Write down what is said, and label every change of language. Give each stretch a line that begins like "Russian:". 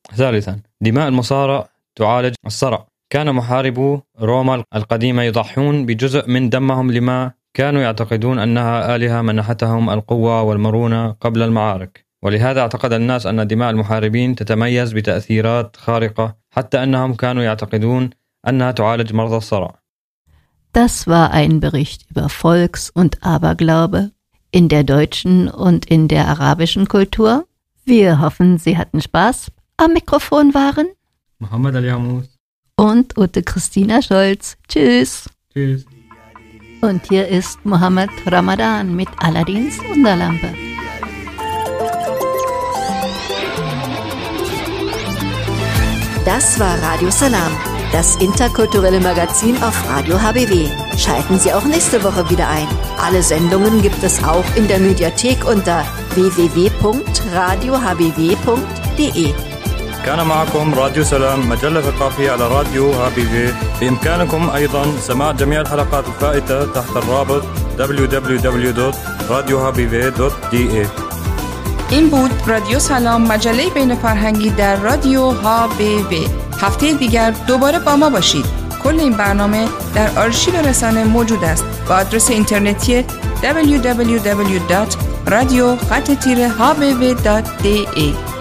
Arabic: ثالثا، دماء المصارع تعالج الصرع. كان محاربو روما القديمة يضحون بجزء من دمهم لما كانوا يعتقدون أنها آلهة منحتهم القوة والمرونة قبل المعارك، ولهذا اعتقد الناس أن دماء المحاربين تتميز بتأثيرات خارقة حتى أنهم كانوا يعتقدون أنها تعالج مرض الصرع.
German: Das war ein Bericht über Volks- und Aberglaube in der deutschen und in der arabischen Kultur. Wir hoffen, Sie hatten Spaß. Am Mikrofon waren Mohammed Al-Yamous und Ute Christina Scholz. Tschüss. Tschüss. Und hier ist Mohammed Ramadan mit Aladdins Wunderlampe. Das war Radio Salam, das interkulturelle Magazin auf Radio HBW. Schalten Sie auch nächste Woche wieder ein. Alle Sendungen gibt es auch in der Mediathek unter www.radiohbw.de.
Arabic: كان معكم راديو سلام، مجلة ثقافية على راديو HBW. بإمكانكم أيضا سماع جميع الحلقات الفائتة تحت الرابط www.radiohbw.de.
Persian: این بود رادیو سلام، مجله بین فرهنگی در رادیو HBW. هفته دیگر دوباره با ما باشید. کل این برنامه در آرشیو رسانه موجود است با آدرس اینترنتی www.radio-hbw.de.